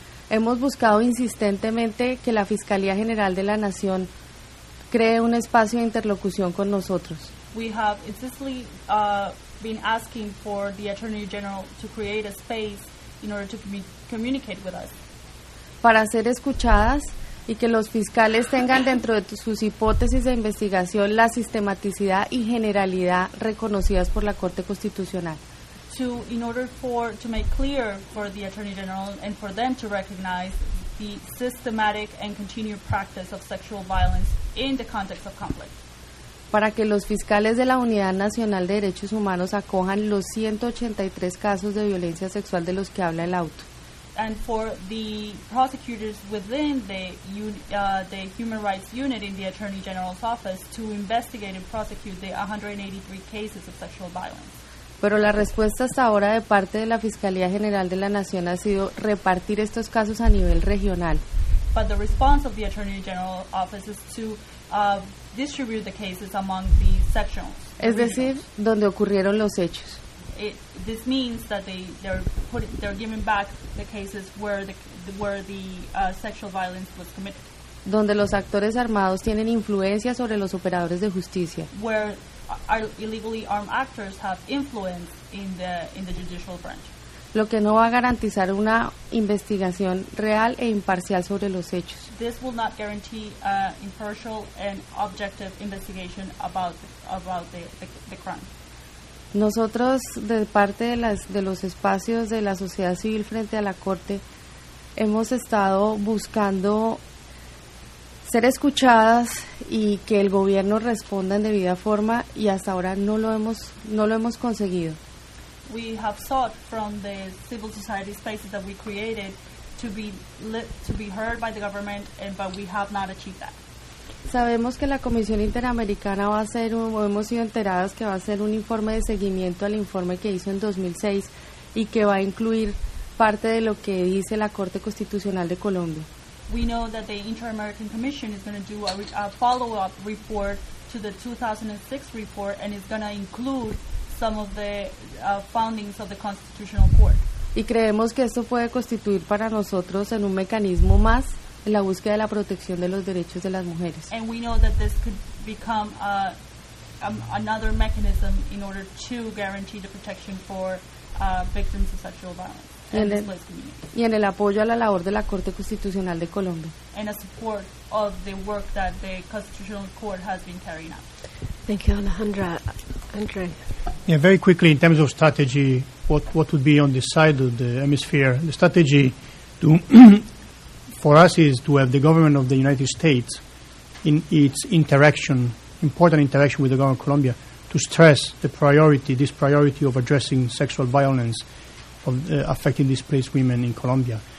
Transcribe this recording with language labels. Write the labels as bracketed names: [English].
[Spanish] Hemos buscado insistentemente que la Fiscalía General de la Nación cree un espacio de interlocución con nosotros. [English] We have insistently been asking for the Attorney General to create a space in order to communicate with us. [Spanish] Para ser escuchadas y que los fiscales tengan dentro de sus hipótesis de investigación la sistematicidad y generalidad reconocidas por la Corte Constitucional. [English] In order to make clear for the Attorney General and for them to recognize the systematic and continued practice of sexual violence in the context of conflict. [Spanish] Para que los fiscales de la Unidad Nacional de Derechos Humanos acojan los 183 casos de violencia sexual de los que habla el auto. [English] And for the prosecutors within the Human Rights Unit in the Attorney General's Office to investigate and prosecute the 183 cases of sexual violence. [Spanish] Pero la respuesta hasta ahora de parte de la Fiscalía General de la Nación ha sido repartir estos casos a nivel regional. [English] But the response of the Attorney General's Office is to distribute the cases among the sections. [Spanish] Es decir, donde ocurrieron los hechos. [English] This means that they're giving back the cases where the sexual violence was committed. [Spanish] Donde los actores armados tienen influencia sobre los operadores de justicia. [English] Where illegally armed actors have influence in the judicial branch. [Spanish] lo que no va a garantizar una investigación real e imparcial sobre los hechos. [English] This will not guarantee impartial and objective investigation about the crime. [Spanish] Nosotros, de parte de los espacios de la sociedad civil frente a la Corte, hemos estado buscando ser escuchadas y que el gobierno responda en debida forma, y hasta ahora no lo hemos conseguido. [English] We have sought from the civil society spaces that we created to be heard by the government, but we have not achieved that. [Spanish] Sabemos que la Comisión Interamericana va a hacer, o hemos sido enteradas que va a hacer un informe de seguimiento al informe que hizo en 2006 y que va a incluir parte de lo que dice la Corte Constitucional de Colombia. [English] We know that the Inter-American Commission is going to do a follow-up report to the 2006 report, and it's going to include some of the findings of the Constitutional Court. [Spanish] Y creemos que esto puede constituir para nosotros en un mecanismo más en la búsqueda de la protección de los derechos de las mujeres. [English] And we know that this could become another mechanism in order to guarantee the protection for victims of sexual violence. [Spanish] Y en el apoyo a la labor de la Corte Constitucional de Colombia. [English] And a support of the work that the Constitutional Court has been carrying out. Thank you, Alejandra. Andre. Yeah, very quickly, in terms of strategy, what would be on the side of the hemisphere? The strategy to for us is to have the government of the United States in its interaction, important interaction with the government of Colombia, to stress this priority of addressing sexual violence of affecting displaced women in Colombia.